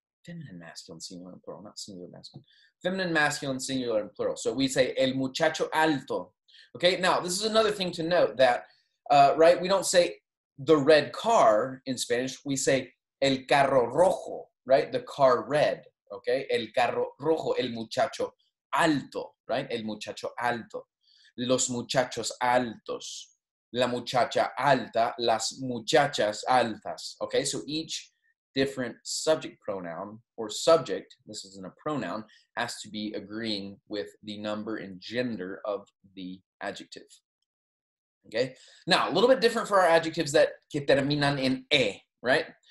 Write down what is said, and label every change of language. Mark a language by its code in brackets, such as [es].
[en] Feminine, masculine, singular, and plural, not singular, masculine. Feminine, masculine, singular, and plural. So we say, [es] el muchacho alto, [en] okay? Now, this is another thing to note that, right, we don't say the red car in Spanish, we say [es] el carro rojo, [en] right? The car red. [es] Okay, el carro rojo, el muchacho alto, [en] right? [es] El muchacho alto, los muchachos altos, la muchacha alta, las muchachas altas. [en] Okay, so each different subject pronoun or subject, this isn't a pronoun, has to be agreeing with the number and gender of the adjective. Okay, now a little bit different for our adjectives that [es] que terminan en e, [en] right?